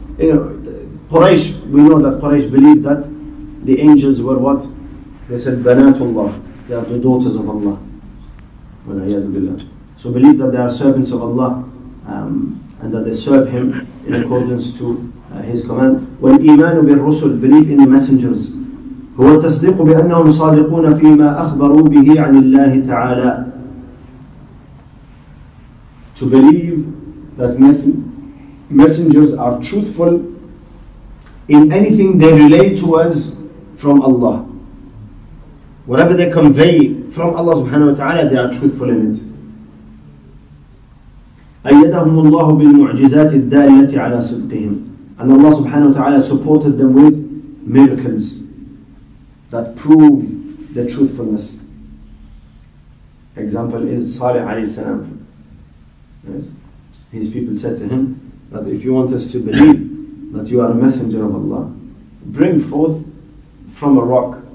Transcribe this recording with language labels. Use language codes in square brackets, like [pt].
[en] Quraysh, we know that Quraysh believed that the angels were what? They said, Banatullah, they are the daughters of Allah. So believe that they are servants of Allah and that they serve Him in accordance to His command. When Imanu bil Rusul, believe in the messengers. [ar] هو التصديق بأنهم صادقون فيما أخبروا به عن الله تعالى. [en] To believe that messengers are truthful in anything they relate to us from Allah. Whatever they convey from Allah subhanahu wa ta'ala, they are truthful in it. [ar] أيدهم الله بالمعجزات الدالة على صدقهم. [en] And Allah subhanahu wa ta'ala supported them with miracles that prove the truthfulness. Example is Salih alayhi salam. Yes. His people said to him that if you want us to believe that you are a messenger of Allah, bring forth from a rock.